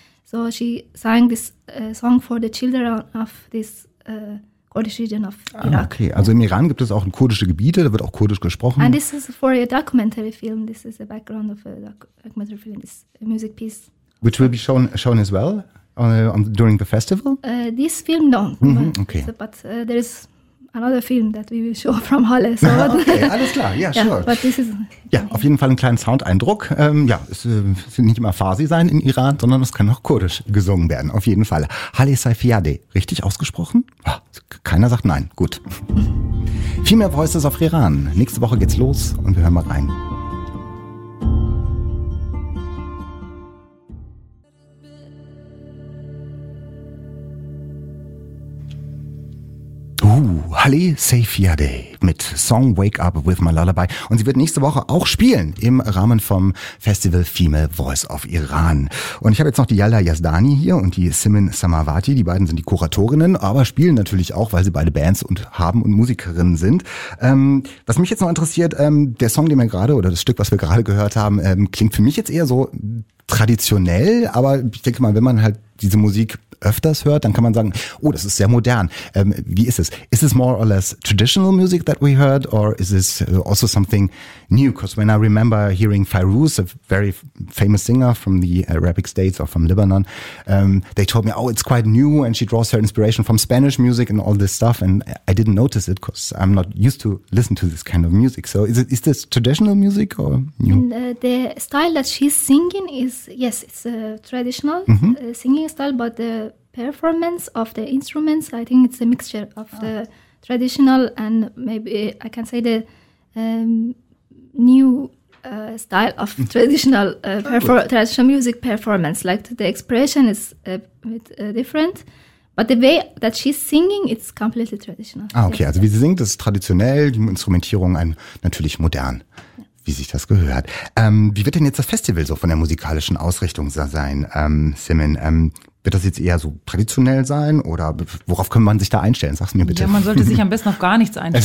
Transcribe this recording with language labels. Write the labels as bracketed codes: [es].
[en] So she sang this song for the children of this Kurdish region of Iraq. [de] Okay, also im Iran gibt es auch kurdische Gebiete, da wird auch Kurdisch gesprochen. [en] And this is for a documentary film. This is the background of a documentary film, this music piece. Which will be shown as well during the festival? This film, no. Mm-hmm. Okay. But there is another film that we will show from Halle. So [de] okay, alles klar, ja, [en] yeah, sure. But this is, [de] ja, auf jeden Fall einen kleinen Soundeindruck. Ja, es wird nicht immer Farsi sein in Iran, sondern es kann auch Kurdisch gesungen werden, auf jeden Fall. Haile Safiadé, richtig ausgesprochen? Keiner sagt nein, gut. Viel mehr Voices auf Iran. Nächste Woche geht's los und wir hören mal rein. Haile Safiadé mit Song Wake Up With My Lullaby. Und sie wird nächste Woche auch spielen im Rahmen vom Festival Female Voice of Iran. Und ich habe jetzt noch die Yalda Yazdani hier und die Simin Samavati. Die beiden sind die Kuratorinnen, aber spielen natürlich auch, weil sie beide Bands und haben und Musikerinnen sind. Was mich jetzt noch interessiert, der Song, den wir gerade, oder das Stück, was wir gerade gehört haben, klingt für mich jetzt eher so traditionell. Aber ich denke mal, wenn man halt diese Musik öfters hört, dann kann man sagen, oh, das ist sehr modern. Wie ist es? [en] Is this more or less traditional music that we heard, or is this also something new? Because when I remember hearing Fairuz, a very famous singer from the Arabic States or from Lebanon, they told me, oh, it's quite new and she draws her inspiration from Spanish music and all this stuff. And I didn't notice it because I'm not used to listen to this kind of music. So is this traditional music or new? The style that she's singing is, yes, it's a traditional singing style, but the performance of the instruments, I think it's a mixture of the traditional and maybe I can say the new style of traditional traditional music performance. Like the expression is a bit different, but the way that she's singing, it's completely traditional. Ah, okay. Yes. [de] Also wie sie singt, ist traditionell, die Instrumentierung ein natürlich modern. Wie sich das gehört. Wie wird denn jetzt das Festival so von der musikalischen Ausrichtung sein, Simon? Wird das jetzt eher so traditionell sein oder worauf kann man sich da einstellen? Sag's mir bitte. Ja, man sollte sich am besten auf gar nichts einstellen.